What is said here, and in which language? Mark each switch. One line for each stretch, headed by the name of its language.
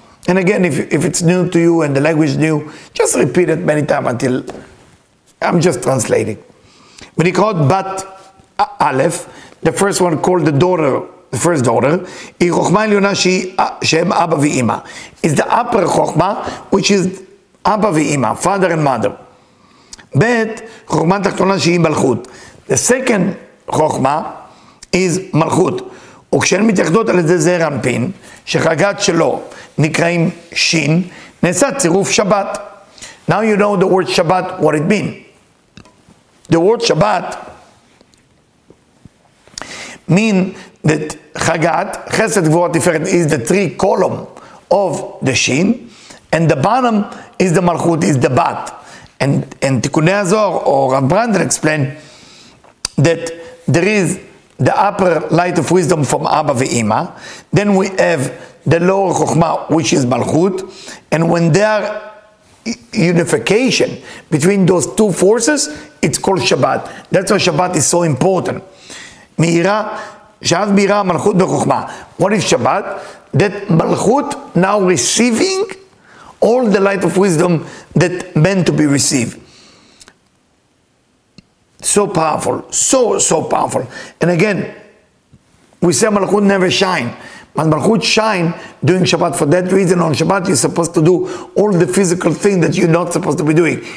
English: And again, if it's new to you and the language new, just repeat it many times until I'm just translating.
Hebrew: ונקראות בת
English: Aleph, the first one called the daughter, the first daughter,
Hebrew: היא חוכמה עליונה שהם אבא ואימא.
English: It's the upper חוכמה, which is אבא ואימא, father and mother.
Hebrew: בית, חוכמה תחתונה שהיא מלכות.
English: The second חוכמה is מלכות.
Hebrew: וכשהן מתייחדות על ידי זה רנפין, שחגת שלו נקראים שין, נעשה צירוף שבת.
English: Now you know the word שבת, what it mean. The word שבת mean that Chagat, Chesed Gvurah Tiferet, is the three column of the Shin, and the bottom is the Malchut, is the Bat. And Tikunei Hazor, or Rav Brandel explained, that there is the upper light of wisdom from Abba ve'Ima, then we have the lower Chokhmah, which is Malchut, and when there are unification between those two forces, it's called Shabbat. That's why Shabbat is so important.
Hebrew: מהירה, שאז מהירה המלכות בחוכמה.
English: What is Shabbat? That מלכות now receiving all the light of wisdom that meant to be received. So powerful. So, so powerful. And again, we say מלכות never shine. But מלכות shine during Shabbat. For that reason, on Shabbat, you're supposed to do all the physical thing that you're not supposed to be doing.